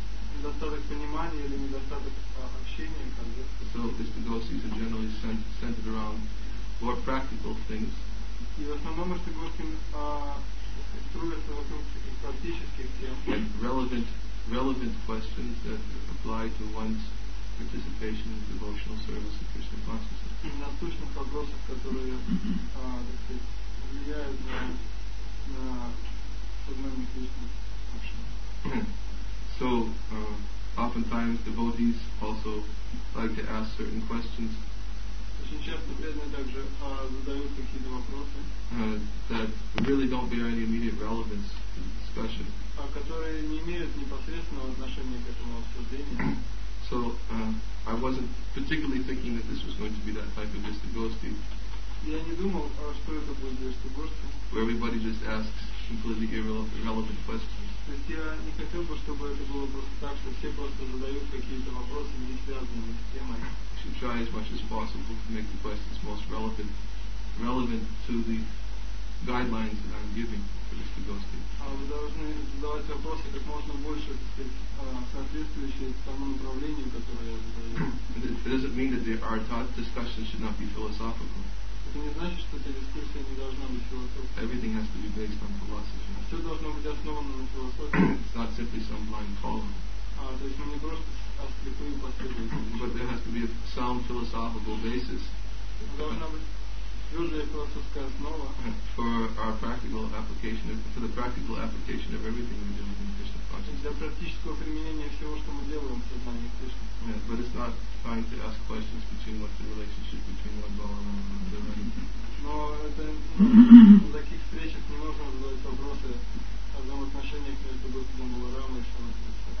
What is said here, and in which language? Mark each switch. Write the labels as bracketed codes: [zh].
[ru] Недостаток понимания или недостаток общения, как бы. [en] So these devotees are generally centered around more practical things. [ru] И в основном эти гости строятся вокруг таких практических тем. [en] And relevant questions that apply to one's participation in devotional service of Krishna consciousness. [ru] И насущных вопросов, которые влияют на сознание Кришны общего. [en] So oftentimes devotees also like to ask certain questions. [ru] Очень часто преданные также задают какие-то вопросы. [en] That really don't bear any immediate relevance to the discussion. [ru] Которые не имеют непосредственного отношения к этому обсуждению. [en] So I wasn't particularly thinking that this was going to be that type of just a ghosty. [ru] Я не думал, что это будет [en] just a ghosty. Where everybody just asks completely irrelevant questions. [ru] То есть я не хотел бы, чтобы это было просто так, что все просто задают какие-то вопросы, не связанные с темой. [en] We should try as much as possible to make the questions most relevant to the guidelines that I'm giving for this ghosty. [ru] Вы должны задавать вопросы как можно больше, так сказать, соответствующие тому направлению, которое я задаю. [en] It doesn't mean that our discussion should not be philosophical. [ru] Это не значит, что эта дискуссия не должна быть философской. [en] Everything has to be based on philosophy. [ru] Все должно быть основано на философии. [en] It's not simply some blind following. [ru] То есть мы не просто слепые последователи. [en] But there has to be a sound philosophical basis. [ru] Должна быть твердая философская основа. [en] For our practical application, for the practical application of everything we do in Krishna consciousness. [ru] Для практического применения всего, что мы делаем в сознании Кришны. [en] Yeah, but it's not trying to ask questions between what the relationship between one Balarama and another. [ru] Но это в таких встречах не можно задавать вопросы о взаимоотношениях между Господом Баларамой и Шанатой.